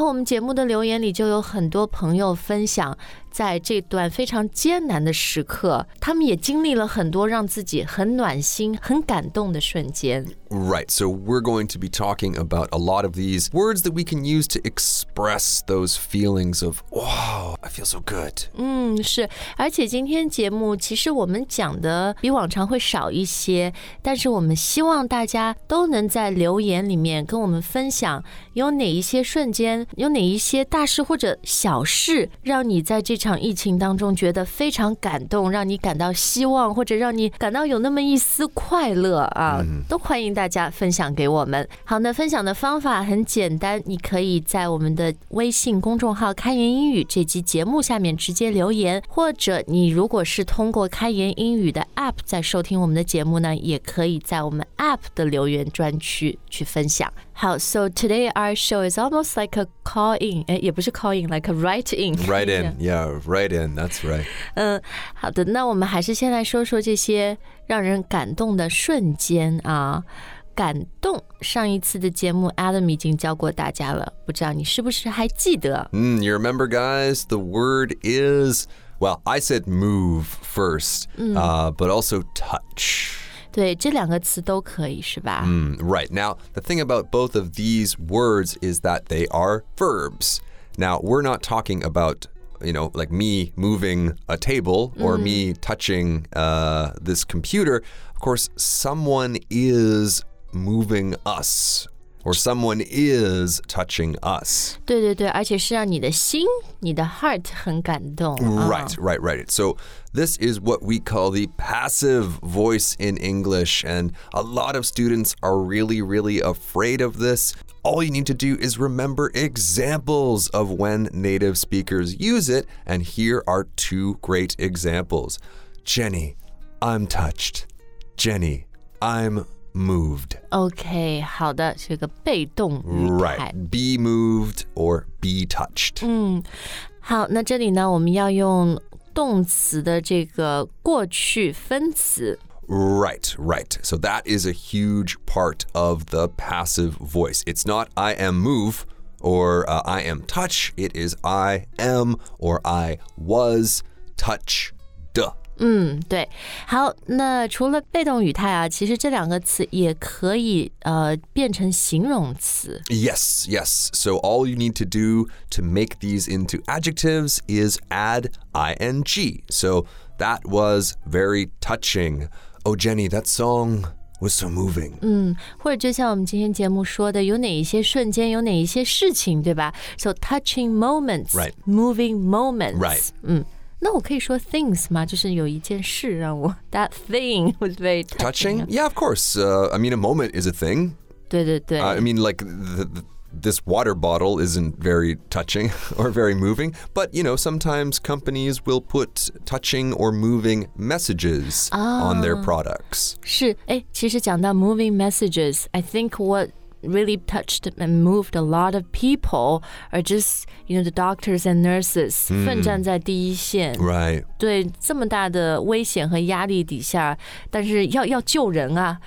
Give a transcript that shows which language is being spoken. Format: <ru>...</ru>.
<zh>然后我们节目的留言里就有很多朋友分享在这段非常艰难的时刻，他们也经历了很多让自己很暖心、很感动的瞬间。</zh> <en>Right, so we're going to be talking about a lot of these words that we can use to express those feelings of, wow, I feel so good.</en> <zh>嗯，是，而且今天节目其实我们讲的比往常会少一些，但是我们希望大家都能在留言里面跟我们分享有哪一些瞬间，有哪一些大事或者小事让你在这场疫情当中觉得非常感动，让你感到希望，或者让你感到有那么一丝快乐啊，都欢迎大家分享给我们。好，那分享的方法很简单，你可以在我们的微信公众号开言英语这期节目下面直接留言，或者你如果是通过开言英语的 app 在收听我们的节目呢，也可以在我们 app 的留言专区去分享。</zh> <en>好， so today our show is almost like a call in,</en> <zh>也不是</zh> <en>call in, like a write in. Write in, yeah, write in, that's right.</en> <zh>好的，那我们还是先来说说这些让人感动的瞬间啊。感动，上一次的节目 Adam 已经教过大家了，不知道你是不是还记得？</zh> <en>You remember, guys, the word is, well, I said move first, but also touch.</en> <zh>对，这两个词都可以，是吧？</zh> <en>Right. Now, the thing about both of these words is that they are verbs. Now, we're not talking about, you know, like me moving a table or me touching this computer. Of course, someone is moving us or someone is touching us.</en> <zh>对对对，而且是让你的心，你的 heart 很感动。</zh> <en>Right, right, right. So,This is what we call the passive voice in English, and a lot of students are really, really afraid of this. All you need to do is remember examples of when native speakers use it, and here are two great examples. Jenny, I'm touched. Jenny, I'm moved.</en> <zh>Okay, 好的，是个被动语态。</zh> <en>Right, be moved or be touched.</en> <zh>好，那这里呢，我们要用动词的这个过去分词。</zh> <en>Right, right. So that is a huge part of the passive voice. It's not I am move or I am touch. It is I am or I was touched.</en> <zh>对。好，那除了被动语态啊，其实这两个词也可以变成形容词。</zh> <en>Yes, yes. So all you need to do to make these into adjectives is add ing. So that was very touching. Oh, Jenny, that song was so moving.</en> <zh>或者就像我们今天节目说的，有哪一些瞬间，有哪一些事情，对吧？</zh> <en>So touching moments, right. Moving moments. Right.</en> <zh>那我可以说 things 吗？就是有一件事让我</zh> <en>that thing was very touching. Touching? Yeah, of course. I mean, a moment is a thing.</en> <zh>对对对。</zh> <en>I mean, like this water bottle isn't very touching or very moving. But you know, sometimes companies will put touching or moving messages on their products.</en> <zh>是，其实讲到</zh> <en>moving messages, I think what really touched and moved a lot of people are just, you know, the doctors and nurses</en> <zh>奋战在第一线</zh> <en>right</en> <zh>对这么大的危险和压力底下但是要救人啊</zh>